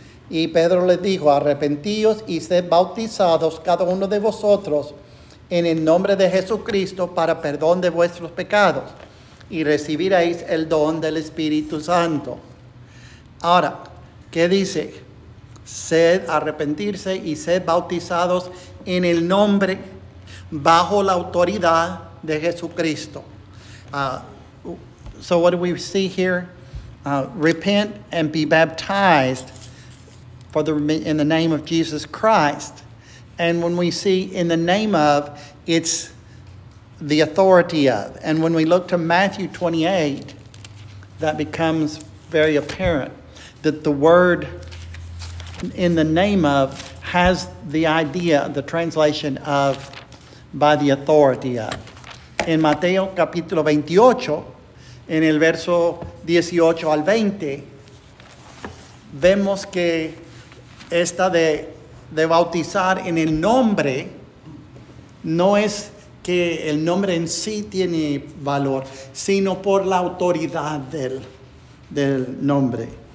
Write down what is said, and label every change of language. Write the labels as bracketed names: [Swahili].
[Spanish] Y Pedro les dijo, arrepentíos y sed bautizados cada uno de vosotros en el nombre de Jesucristo para perdón de vuestros pecados y recibiréis el don del Espíritu Santo. Ahora, ¿qué dice? Sed arrepentirse y sed bautizados en el nombre bajo la autoridad de Jesucristo. [English] So what do we see here? Repent and be baptized in the name of Jesus Christ. And when we see in the name of, it's the authority of. And when we look to Matthew 28, that becomes very apparent that the word in the name of has the idea, the translation of, by the authority of. [Spanish] In Mateo capítulo 28, en el verso 18 al 20, vemos que esta de bautizar en el nombre no es que el nombre en sí tiene valor, sino por la autoridad del nombre.